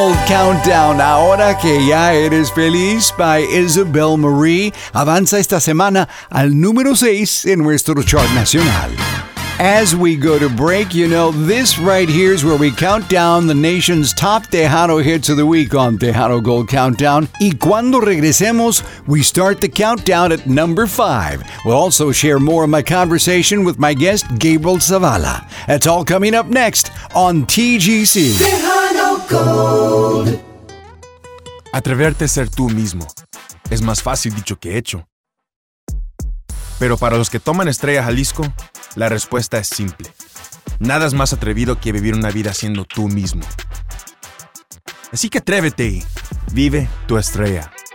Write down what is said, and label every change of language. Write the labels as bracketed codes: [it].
[es] Countdown, Ahora Que Ya Eres Feliz by Isabel Marie avanza esta semana al número 6 en nuestro chart nacional. [en] As we go to break, you know, this right here is where we count down the nation's top Tejano hits of the week on Tejano Gold Countdown. [es] Y cuando regresemos, [en] we start the countdown at number 5. We'll also share more of my conversation with my guest, Gabriel Zavala. That's all coming up next on TGC. Tejano Gold. [es] Atreverte a ser tú mismo. es más fácil dicho que hecho. Pero para los que toman Estrella Jalisco, la respuesta es simple. Nada es más atrevido que vivir una vida siendo tú mismo. Así que atrévete y vive tu estrella.